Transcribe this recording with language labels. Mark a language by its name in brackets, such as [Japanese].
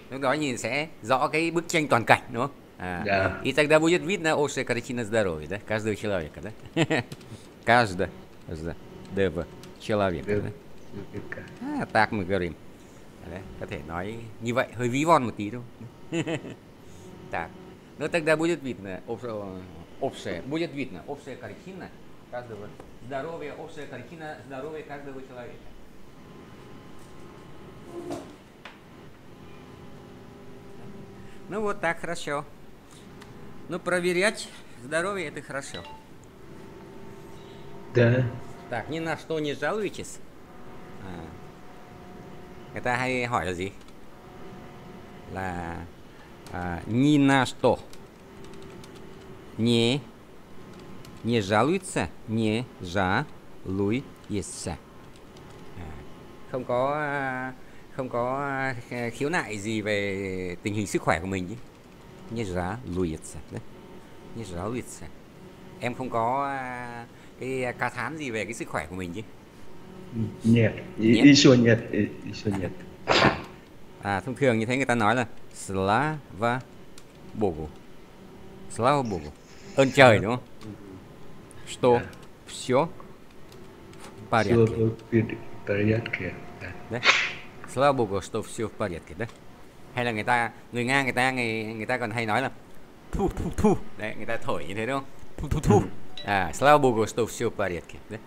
[Vietnamese] Lúc đó nhìn sẽ rõ cái bức tranh toàn cảnh đúng không? [Russian] Да. И тогда будет видно общая картина здоровья, да? Каждого человека, да? Каждого человека, [Vietnamese] Được. [Russian] да? À, так мы говорим. Да? [Vietnamese] Có thể nói như vậy, hơi ví von một tí thôi. [Russian] Так. Ну, тогда будет видно общая, будет видно общая картина каждого здоровья, общая картина здоровья каждого человека. Ну вот так, хорошо. Ну, проверять здоровье это хорошо. Да. Так, ни на что не жалуйтесь. [Vietnamese] Это hay hỏi là gì? [Russian] Là ни на что. Не жалуется, не жалуется. [Vietnamese] Không có khiếu nại gì về tình hình sức khỏe của mình chứ. Như giá lùi sạch đấy, như giá lùi sạch. Em không có cái ca thán gì về cái sức khỏe của mình chứ Nhật, nhé. đi xuống Nhật, đi xuống Nhật. Thông thường như thế người ta nói là [Russian] Slava Bogu, Slava Bogu, [Vietnamese] ơn trời đúng không? [Russian] Что все в Все порядке. порядке. Slava Bogu, что все в порядке, да? [Vietnamese] Hay là người ta người Nga người ta người người ta còn hay nói là thu thu thu đấy, người ta thổi như thế đúng không? [Russian] Thu thu thu à, Slava Bogu, что все в порядке.